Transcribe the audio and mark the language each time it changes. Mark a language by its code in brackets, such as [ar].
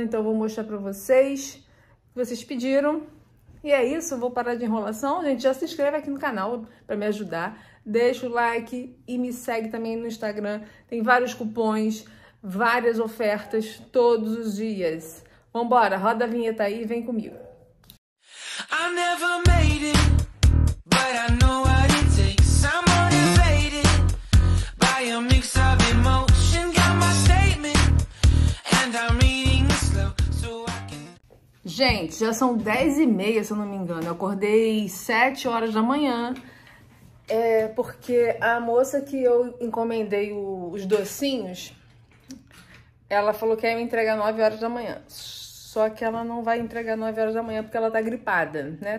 [pt] Então eu vou mostrar pra vocês o que vocês pediram. E é isso, eu vou parar de enrolação. Gente, já se inscreve aqui no canal pra me ajudar. Deixa o like e me segue também no Instagram. Tem vários cupons, várias ofertas todos os dias. Vambora, roda a vinheta aí e vem comigo. [en] I never made it, but I know what it takes. I'm motivated by a mix of emotion. Got my statement, and I'm reading it slow so I can. [pt] Gente, já são 10h30, se eu não me engano. Eu acordei 7 horas da manhã. É porque a moça que eu encomendei os docinhos, ela falou que ia me entregar 9 horas da manhã. Só que ela não vai entregar 9 horas da manhã porque ela tá gripada, né?